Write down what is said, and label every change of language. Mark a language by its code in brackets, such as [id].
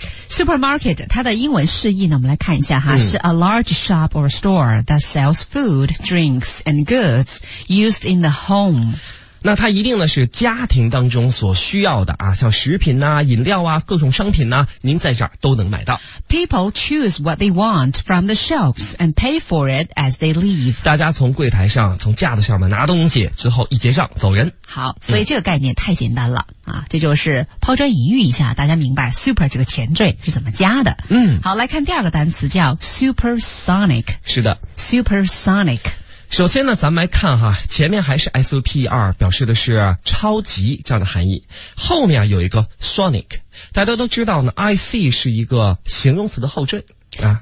[en] Supermarket [zh] 它的英文释义呢，我们来看一下哈，是 [en] a large shop or store that sells food, drinks and goods used in the home。 [zh] 那它一定呢是家庭当中所需要的啊，像食品啊、饮料啊、各种商品啊，您在这儿都能买到。 [en] People choose what they want from the shelves and pay for it as they leave。 [zh] 大家从柜台上、从架子上面拿东西之后一结账走人。好，所以这个概念太简单了啊，这就是抛砖引玉一下，大家明白 super 这个前缀是怎么加的。嗯，好，来看第二个单词叫 supersonic。是的， [en] supersonic。 [zh] 首先呢咱们来看哈，前面还是 super 表示的是超级这样的含义，后面有一个 sonic， 大家都知道呢 ic 是一个形容词的后缀啊。